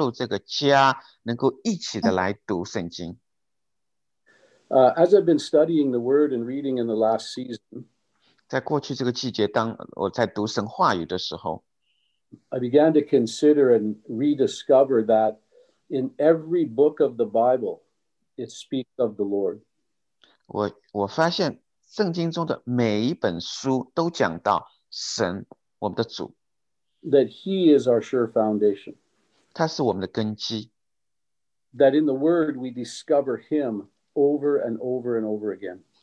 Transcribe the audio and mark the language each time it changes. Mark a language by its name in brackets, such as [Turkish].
[Chinese] 所以我也是鼓励大家能够加入这个家，能够一起的来读圣经。 [English] As I've been studying the word and reading in the last season, [Chinese] 在过去这个季节，当我在读神话语的时候, [English] I began to consider and rediscover that in every book of the Bible, it speaks of the Lord. [Chinese] 我发现圣经中的每一本书都讲到神，我们的主。 [English] That he is our sure foundation. [Chinese] 他是我们的根基。 [English] That in the word we discover him over and over and over again.